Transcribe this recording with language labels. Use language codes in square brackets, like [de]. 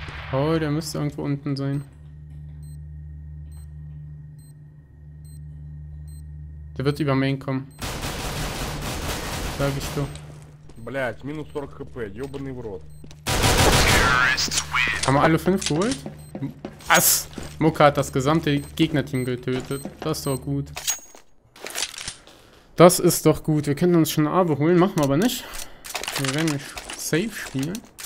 [de] Oh, der müsste irgendwo unten sein. Der wird über Main kommen. Sag ich du. [ru] Блять, минус 40 хп, ёбаный в рот. [de] Haben wir alle 5 geholt? Ass! Mucke hat das gesamte Gegnerteam getötet. Das ist doch gut. Das ist doch gut. Wir könnten uns schon eine Arbe holen, machen wir aber nicht. Wir werden nicht safe spielen.